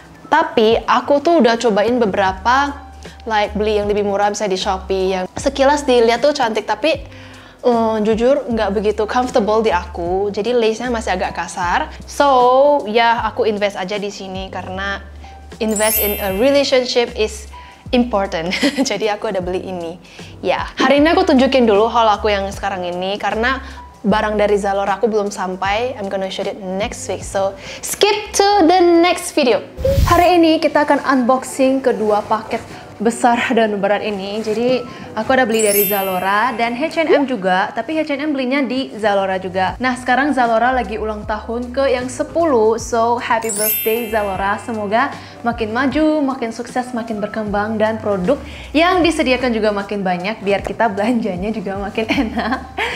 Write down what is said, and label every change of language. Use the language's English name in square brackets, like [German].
[Indonesian] Tapi aku tuh udah cobain beberapa, like beli yang lebih murah misalnya di Shopee, yang sekilas dilihat tuh cantik tapi jujur gak begitu comfortable di aku, jadi lace-nya masih agak kasar. [English] So [Indonesian] ya, aku invest aja di sini karena [English] invest in a relationship is important. [Indonesian] Jadi aku ada beli ini. Ya, hari ini aku tunjukin dulu haul aku yang sekarang ini, karena barang dari Zalora aku belum sampai. [English] I'm gonna show it next week, so skip to the next video. [Indonesian] Hari ini kita akan unboxing kedua paket besar dan berat ini. Jadi aku ada beli dari Zalora dan H&M juga, tapi H&M belinya di Zalora juga. Nah, sekarang Zalora lagi ulang tahun ke yang 10, [English] so happy birthday [Indonesian] Zalora. Semoga makin maju, makin sukses, makin berkembang, dan produk yang disediakan juga makin banyak biar kita belanjanya juga makin enak.